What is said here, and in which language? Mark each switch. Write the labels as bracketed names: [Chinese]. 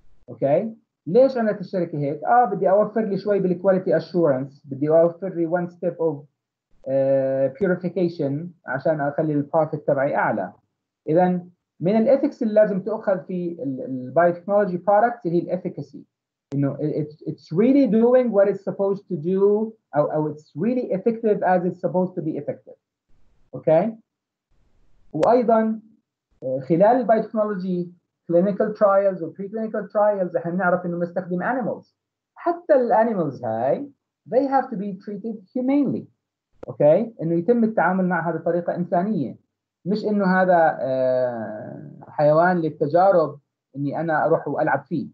[Arabic] Okay؟ ليش عملت الشركة هيك؟ بدي أوفر لي شوي بالquality assurance، بدي أوفر لي [English] one step of purification [Arabic] عشان أخلي الprofit تبعي أعلى. إذن من الethics اللي لازم تأخذ في البيوتكنولوجي product هي الefficacy. [English] You know, it's really doing what it's supposed to do, or it's really effective as it's supposed to be effective. Okay. [Arabic] وأيضا خلال [English] biotechnology clinical trials or preclinical trials [Arabic] إحنا نعرف إنه مستخدم [English] animals. [Arabic] حتى ال [English] animals هاي they have to be treated humanely. Okay. [Arabic] إنه يتم التعامل معها بطريقة إنسانية، مش إنه هذا حيوان للتجارب إني أنا أروح وألعب فيه.